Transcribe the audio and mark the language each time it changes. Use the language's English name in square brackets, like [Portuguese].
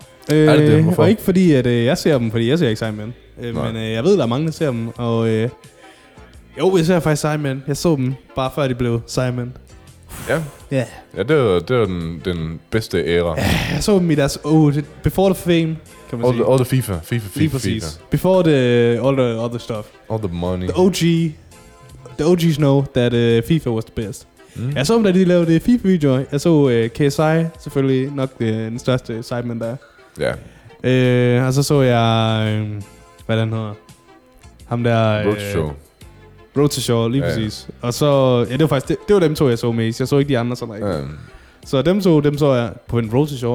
[Danish] Er det det? Hvorfor? Og ikke fordi, at jeg ser dem, fordi jeg ser ikke Sideman. Men jeg ved, der er mange, der ser dem. Og jeg ser faktisk Sideman. Jeg så dem, bare før de blev Sideman. Ja. Ja. Ja, det var den bedste æra. Ja, jeg så dem i deres... [English] Before the fame. All the FIFA. [Danish] Lige præcis. [English] Before the all the other stuff. All the money. The OGs know that FIFA was the best. Mm. [Danish] Jeg så dem, da de lavede FIFA-videoer. Jeg så KSI, selvfølgelig nok den største Sideman, der er. Ja. Og så jeg... hvad den hedder? Ham der... Road to Show, lige præcis. Og så... Ja, det var faktisk... Det var dem to, jeg så mest. Jeg så ikke de andre sådan rigtigt. Så dem så jeg på en Road to Show.